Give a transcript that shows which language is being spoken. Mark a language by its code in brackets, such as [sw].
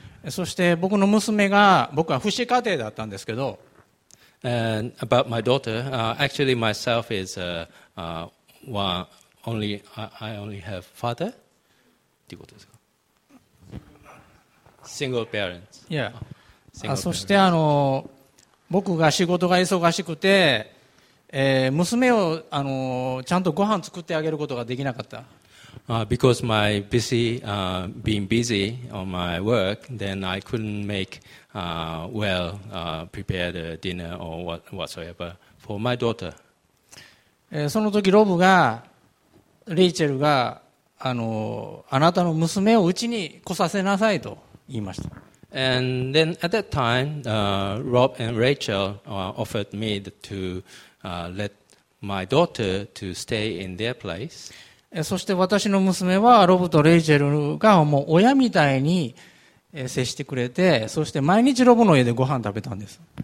[ja] そして僕の娘が僕は父子家庭だったんですけど、 [en] And about my daughter, actually myself is one only I only have father. [ja] ということですか。 [en] Single parents. Yeah. [ja] そして僕が仕事が忙しくて、娘をちゃんとご飯作ってあげることができなかった。 [en] Because my busy, being busy on my work, then I couldn't make well prepare the dinner or whatsoever for my daughter. [ja] その時ロブがレイチェルがあなたの娘をうちに来させなさいと言いました。 [en] And then at that time, Rob and Rachel offered me to let my daughter to stay in their place. [ja] そして私の娘はロブとレイチェルがもう親みたいに接してくれて、そして毎日ロブの家でご飯食べたんです。